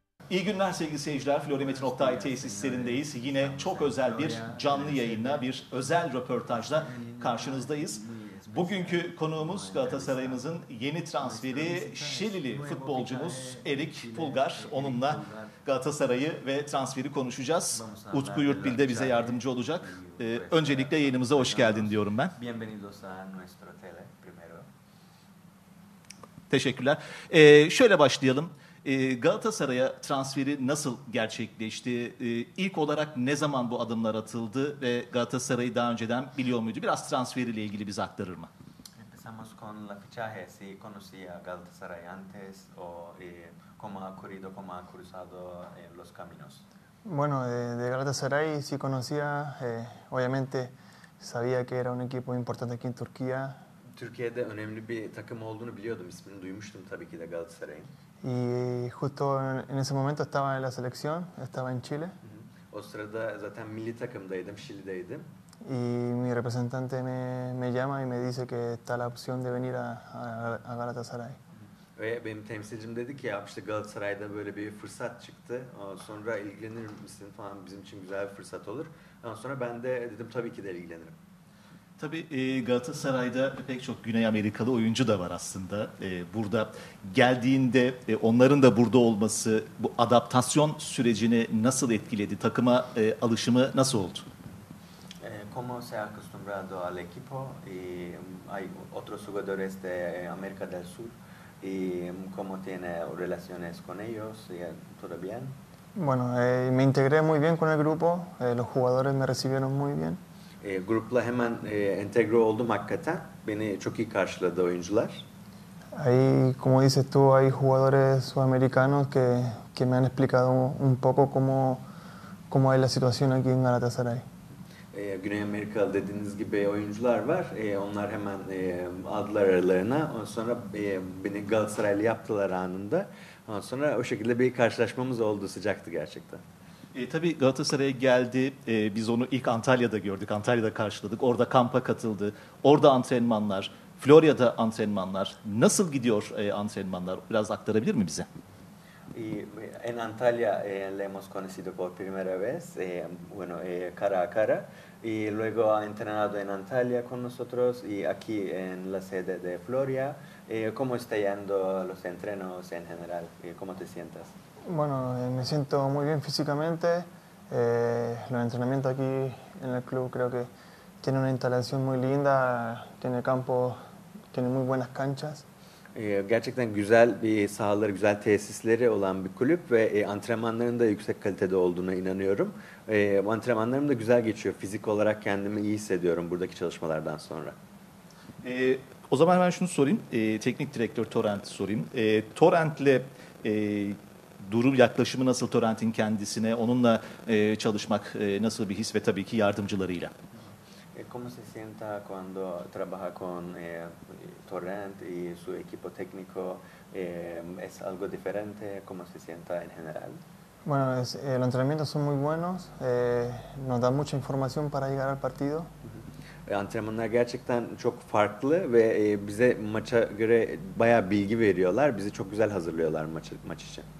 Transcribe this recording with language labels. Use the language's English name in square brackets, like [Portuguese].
[Turkish] günler sevgili seyirciler. Florimetin Oktay tesislerindeyiz. Yine çok özel bir canlı yayınla, bir özel röportajla karşınızdayız. Bugünkü konuğumuz Galatasaray'ımızın yeni transferi Şilili futbolcumuz Erik Pulgar. Onunla Galatasaray'ı ve transferi konuşacağız. Utku Yurtbil de bize yardımcı olacak. Öncelikle yayınımıza hoş geldin diyorum ben. [Spanish] Bienvenidos a nuestro tele primero. [Turkish] Teşekkürler. Şöyle başlayalım. Galatasaray'a transferi nasıl gerçekleşti? İlk olarak ne zaman bu adımlar atıldı ve Galatasaray'ı daha önceden biliyor muydu? Biraz transferiyle ilgili bize aktarır mı? [Spanish] Empezamos con la fichaje. Si conocía Galatasaray antes o cómo ha ocurrido, cómo ha cruzado los caminos. Bueno, de Galatasaray sí conocía. Obviamente sabía que era un equipo importante aquí en Turquía. [Turkish] Türkiye'de önemli bir takım olduğunu biliyordum, ismini duymuştum tabii ki de Galatasaray'ın. [Spanish] Y justo en ese momento estaba en la selección, estaba en Chile. [Turkish] O sırada zaten milli takımdaydım, Şili'deydim. [Spanish] Y mi representante me llama y me dice que está la opción de venir a Galatasaray. [Turkish] Ve benim temsilcim dedi ki ya işte Galatasaray'da böyle bir fırsat çıktı. Sonra ilgilenir misin falan, bizim için güzel bir fırsat olur. Ondan sonra ben de dedim tabii ki de ilgilenirim. Tabii Galatasaray'da pek çok Güney Amerikalı oyuncu da var aslında. Burada geldiğinde onların da burada olması, bu adaptasyon sürecini nasıl etkiledi? Takıma alışımı nasıl oldu? [Spanish] Como se ha acostumbrado al equipo, hay otros jugadores de América del Sur. ¿Cómo tiene relaciones con ellos? ¿Todo bien? Bueno, me integré muy bien con el grupo. Los jugadores me recibieron muy bien. [Turkish] Grupla hemen entegre oldum hakikaten. Beni çok iyi karşıladı oyuncular. [Spanish] Ahí, como dices tú, hay jugadores sudamericanos que me han explicado un poco cómo es la situación aquí en Galatasaray. [Turkish] Güney Amerikalı dediğiniz gibi oyuncular var. Onlar hemen aldılar aralarına. Ondan sonra beni Galatasaraylı yaptılar anında. Ondan sonra o şekilde bir karşılaşmamız oldu. Sıcaktı gerçekten. Tabii Galatasaray'a geldi. Biz onu ilk Antalya'da gördük. Antalya'da karşıladık. Orada kampa katıldı. Orada antrenmanlar, Florya'da antrenmanlar. Nasıl gidiyor antrenmanlar? Biraz aktarabilir mi bize? [Spanish] En Antalya le hemos conocido por primera vez. Bueno, cara a cara. Y luego ha entrenado en Antalya con nosotros y aquí en la sede de Florya. ¿Cómo está yendo los entrenos en general? ¿Cómo te sientes? Bueno, me siento muy bien físicamente. Los entrenamientos aquí en el club creo que tiene una instalación muy linda, tiene campo, tiene muy buenas canchas. [Turkish] Gerçekten güzel bir sahaları, güzel tesisleri olan bir kulüp ve antrenmanların da yüksek kalitede olduğuna inanıyorum. Antrenmanlarım da güzel geçiyor. Fizik olarak kendimi iyi hissediyorum buradaki çalışmalardan sonra. O zaman ben şunu sorayım. Teknik direktör Torrent'i sorayım. Torrent'le durum, yaklaşımı nasıl Torrent'in kendisine? Onunla çalışmak nasıl bir his ve tabii ki yardımcılarıyla? [Spanish] ¿Cómo se sienta cuando trabaja con Torrent y su equipo técnico? ¿Es algo diferente? ¿Cómo se sienta en general? Bueno, los entrenamientos son muy buenos. Nos da mucha información para llegar al partido. [Turkish] Antrenmanlar gerçekten çok farklı ve bize maça göre bayağı bilgi veriyorlar. Bizi çok güzel hazırlıyorlar maç için.